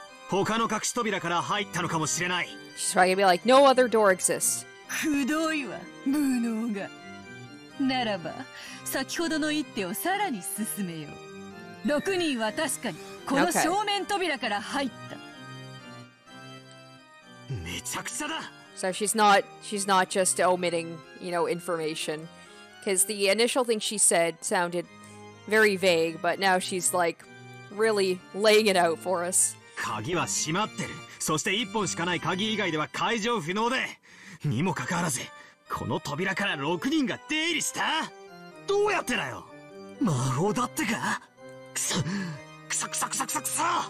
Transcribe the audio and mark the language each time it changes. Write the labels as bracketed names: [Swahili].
[Japanese] 他の隠し扉から入ったのかもしれない。 [English] She's probably gonna be like, no other door exists. [Japanese] くどいわ、無能が。ならば先ほどの一手をさらに進めよう。 6人は確かにこの正面扉から入った。めちゃくちゃだ。 [English] So she's not just omitting, you know, information. Because the initial thing she said sounded very vague, but now she's like really laying it out for us. [Japanese] 鍵は閉まってる。そして1本しかない鍵以外では解錠不能で。にもかかわらず、この扉から6人が出入りした？どうやってだよ？魔法だってか？くそ、くそくそくそくそ！